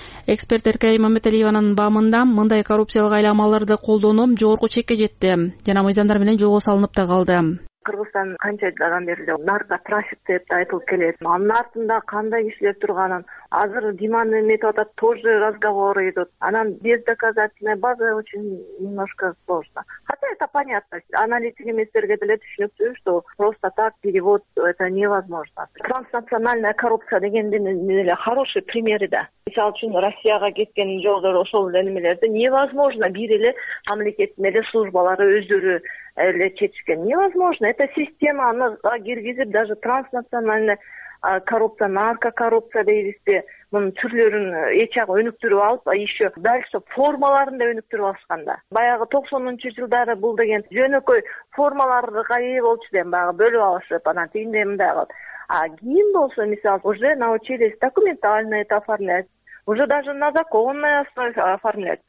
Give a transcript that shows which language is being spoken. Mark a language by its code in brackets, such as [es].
[ky] Эксперт Эркерим Мамметалиеванын баамында мындай коррупциялык айламаларды колдонуу жогорку чекке жетти жана мыйзамдар менен жолго салынып да калды. Кыргызстан канча жылдан бери эле наркотрафик деп айтылып келет. Анын артында кандай кишилер турганын азыр Диман эметип атат, [ru] тоже разговор идут. [ky] Анан [ru] без доказательной базы очень немножко сложно. Хотя это понятно. [ky] Аналитик эместерге деле түшүнүксүз, [ru] что просто так перевод это невозможно. [ky] Транснациональная коррупция дегендин эле [ru] хороший [ky] примери да. Мисалы үчүн Россияга кеткен жолдор ошол эле эмелерди [ru] невозможно [ky] бир эле мамлекеттин эле службалары өздөрү эле чечишкен. [ru] Невозможно. Это [ky] системаны киргизип [ru] даже [ky] транснациональный коррупция, наркокоррупция дейбизби, мунун түрлөрүн эч ак өнүктүрүп алып, [ru] еще дальше [ky] формаларын да өнүктүрүп алышканда. Баягы 90-жылдары бул деген жөнөкөй формаларга ээ болчу дейм, баягы бөлүп алышып, анан тигиндей мындай кылып. А кийин болсо, мисалы, [ru] уже научились документально это оформлять. Уже даже на законной основе оформлять.